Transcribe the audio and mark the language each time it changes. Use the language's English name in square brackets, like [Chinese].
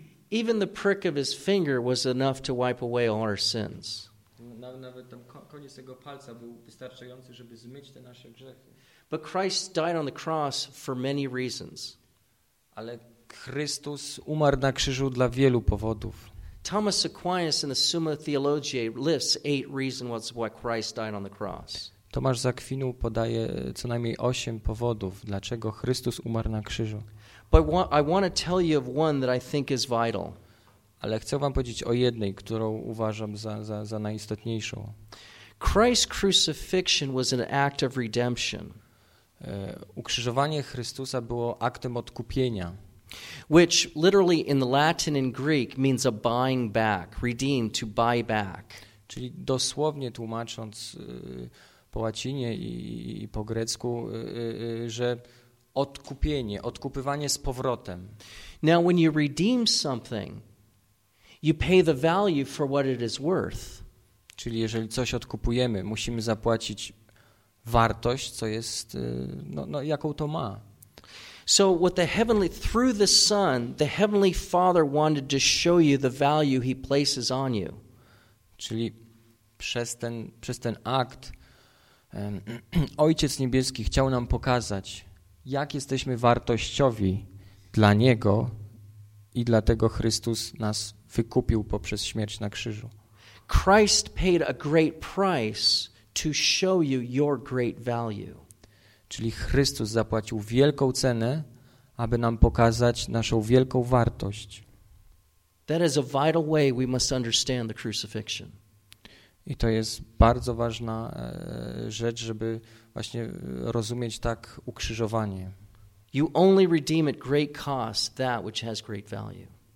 [English] Even the prick of his finger was enough to wipe away all our sins. [Polish] Nawet tam koniec tego palca był wystarczający, żeby zmyć te nasze grzechy. [English] But Christ died on the cross for many reasons. [Polish] Ale Chrystus umarł na krzyżu dla wielu powodów. [English] Thomas Aquinas in the Summa Theologiae lists 8 reasons why Christ died on the cross. [Polish] Tomasz z Akwinu podaje co najmniej 8 powodów, dlaczego Chrystus umarł na krzyżu. [English] But I want to tell you of one that I think is vital. [Polish] Ale chcę wam powiedzieć o jednej, którą uważam za najistotniejszą. [English] Christ's crucifixion was an act of redemption. [Polish] Ukrzyżowanie Chrystusa było aktem odkupienia. [English] Which literally in Latin and Greek means a buying back, redeemed, to buy back. [Polish] Czyli dosłownie tłumacząc po łacinie i po grecku, że odkupienie, odkupywanie z powrotem. [English] Now when you redeem something, you pay the value for what it is worth. [Polish] Czyli jeżeli coś odkupujemy, musimy zapłacić wartość, co jest, jaką to ma. [English] So what the heavenly through the Son, the heavenly Father wanted to show you the value he places on you. [Polish] Czyli przez ten akt Ojciec Niebieski chciał nam pokazać, jak jesteśmy wartościowi dla Niego i dlatego Chrystus nas wykupił poprzez śmierć na krzyżu. [English] Christ paid a great price to show you your great value. [Polish] Czyli Chrystus zapłacił wielką cenę, aby nam pokazać naszą wielką wartość. [English] That is a vital way we must understand the crucifixion. [Polish] I to jest bardzo ważna rzecz, żeby właśnie rozumieć tak ukrzyżowanie. [English] You only redeem at great cost that which has great value.